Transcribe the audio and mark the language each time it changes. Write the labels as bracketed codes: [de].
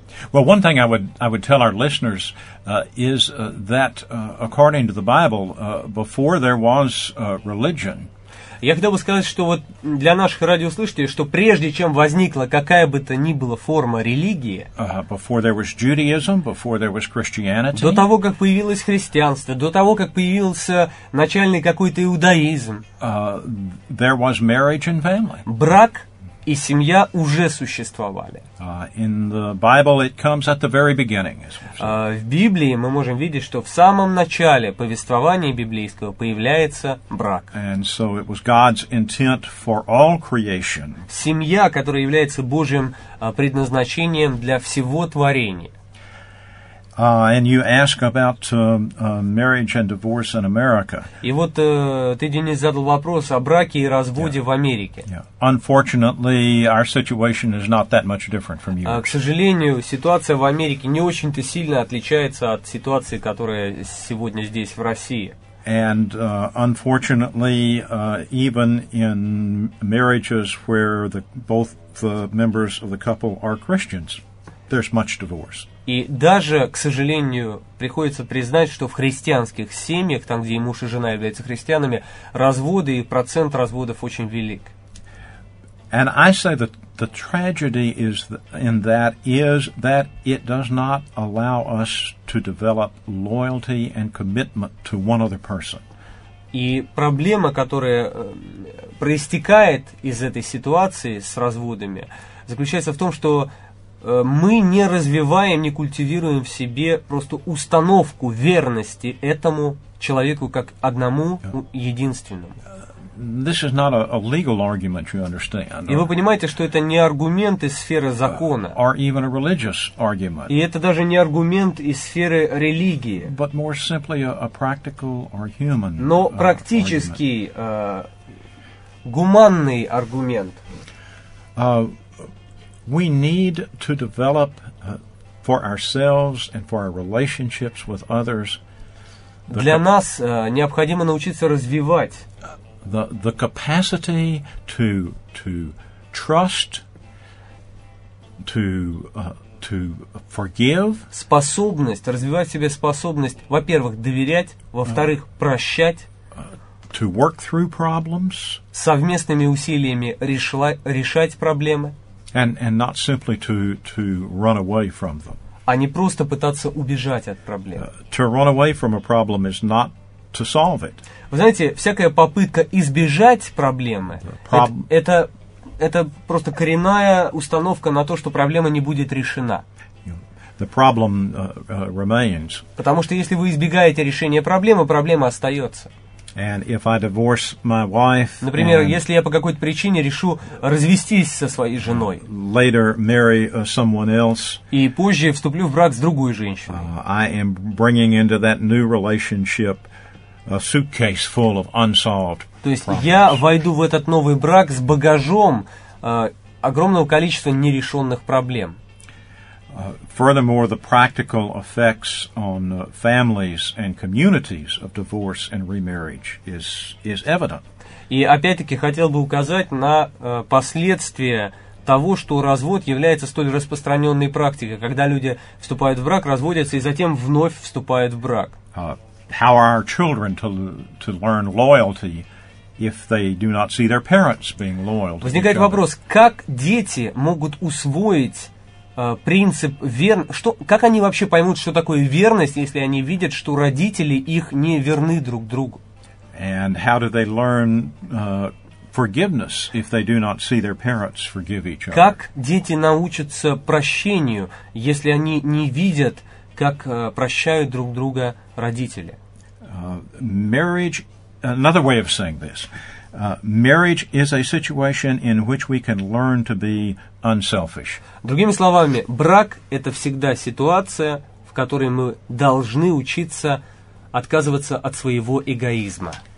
[en] Well, one thing I would tell our listeners is that according to the Bible, before there was religion, [ru] я хотел бы сказать, что вот для наших радиослушателей, что прежде чем возникла какая бы то ни была форма религии, [en] before there was Judaism, before there was Christianity, [ru] до того, как появилось христианство, до того, как появился начальный какой-то иудаизм, [en] there was marriage and family. [ru] Брак и семья уже существовали. [en] In the Bible it comes at the very beginning, as we say. [ru] В Библии мы можем видеть, что в самом начале повествования библейского появляется брак. [en] And so it was God's intent for all creation. [ru] Семья, которая является Божьим предназначением для всего творения. [en] And you ask about marriage and divorce in America. [ru] И вот ты, Денис, задал вопрос о браке и разводе в Америке. Yeah. [en] Unfortunately, our situation is not that much different from yours. [ru] К сожалению, ситуация в Америке не очень-то сильно отличается от ситуации, которая сегодня здесь в России. [en] And unfortunately, even in marriages where both the members of the couple are Christians, there's much divorce. [ru] И даже, к сожалению, приходится признать, что в христианских семьях, там, где и муж, и жена являются христианами, разводы и процент разводов очень велик. [en] And I say that the tragedy is that it does not allow us to develop loyalty and commitment to one other person. [ru] И проблема, которая проистекает из этой ситуации с разводами, заключается в том, что мы не развиваем, не культивируем в себе просто установку верности этому человеку как одному единственному. [en] This is not a legal argument, you understand. [ru] И вы понимаете, что это не аргумент из сферы закона. [en] Or even a religious argument. [ru] И это даже не аргумент из сферы религии. [en] But more simply a practical or human. [ru] Но практически гуманный аргумент. [en] We need to develop for ourselves and for our relationships with others. [ru] Для нас необходимо научиться развивать [en] the capacity to trust, to forgive. [ru] Способность развивать в себе способность, во-первых, доверять, во-вторых, прощать. [en] To work through problems. [ru] Совместными усилиями решать проблемы. [en] And not simply to run away from them. [ru] А не просто пытаться убежать от проблем. [en] To run away from a problem is not to solve it. [ru] Вы знаете, всякая попытка избежать проблемы, это просто коренная установка на то, что проблема не будет решена. [en] The problem remains. [ru] Потому что если вы избегаете решения проблемы, проблема остается. [en] And if I divorce my wife, [ru] например, если я по какой-то причине решу развестись со своей женой, [en] later marry someone else, [ru] и позже вступлю в брак с другой женщиной, [en] I am bringing into that new relationship a suitcase full of unsolved problems. [ru] То есть я войду в этот новый брак с багажом огромного количества нерешенных проблем. [en] Furthermore, the practical effects on families and communities of divorce and remarriage is evident. [ru] И опять-таки хотел бы указать на последствия того, что развод является столь распространенной практикой, когда люди вступают в брак, разводятся и затем вновь вступают в брак. [en] How are our children to learn loyalty if they do not see their parents being loyal to each other? [ru] Возникает вопрос, как дети могут усвоить принцип верности, как они вообще поймут, что такое верность, если они видят, что родители их не верны друг другу? [en] And how do they learn forgiveness if they do not see their parents forgive each other? [ru] Как дети научатся прощению, если они не видят, как прощают друг друга родители? [en] Marriage, another way of saying this, marriage is a situation in which we can learn to be unselfish. [ru] Другими словами, брак — это всегда ситуация, в которой мы должны учиться отказываться от своего эгоизма.